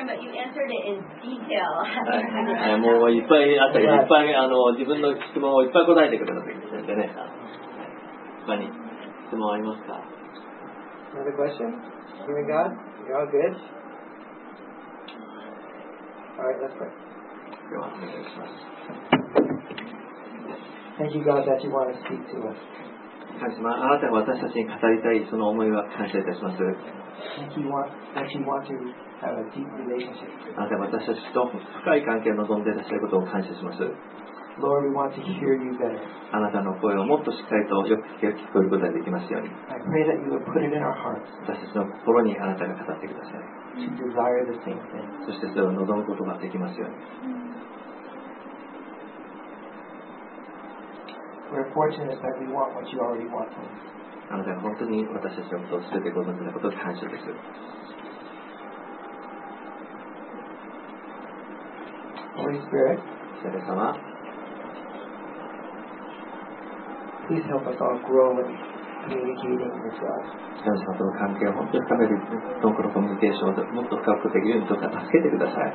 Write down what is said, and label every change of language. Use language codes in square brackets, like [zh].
[en] Well, I had written down a question, but you answered it in detail. [ja] もういっぱいあったり、いっぱい自分の質問をいっぱい答えてくれたときですね。他に質問ありますか。 [en] Another question? Hearing God? You're all good? All right, let's pray. [ja] ではお願いします。 [en] Thank you, God, that you want to speak to us. [ja] 神様、あなたが私たちに語りたいその思いは感謝いたします。あなたが私たちと深い関係を望んでいらっしゃることを感謝します。 [en] Lord, we want to hear you better. [ja] あなたの声をもっとしっかりとよく聞くことができますように。 [en] I pray that you would put it in our hearts. [ja] 私たちの心にあなたが語ってください。 [en] To desire the same thing. [ja] そしてそれを望むことができますように。 [en] We're fortunate that we want what you already want from us. [ja] あなたが本当に私たちのことを全てご存知のことを感謝です。 [en] Holy Spirit, [ja] 聖霊様、 [en] Please help us all grow in communicating with God. [ja] 神様との関係を本当に深める、どこのコミュニケーションをもっと深くできるようにどうか助けてください。